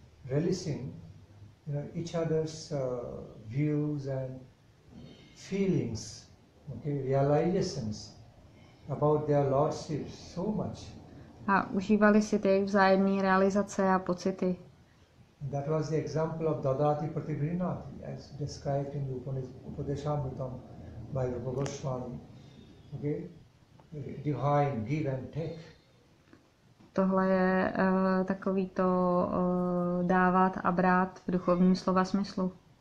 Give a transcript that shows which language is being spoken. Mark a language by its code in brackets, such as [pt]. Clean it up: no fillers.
[en] Releasing, you know, each other's views and feelings, okay, realizations about their lordship so much. [cs] A užívali si ty vzájemné realizace a pocity. [en] And that was the example of Dadati Pratibhrinati, as described in Upadeshamrutam by Rupa Goswami. Okay, divine give and take. [cs] Tohle je takový to dávat a brát v duchovním slova smyslu.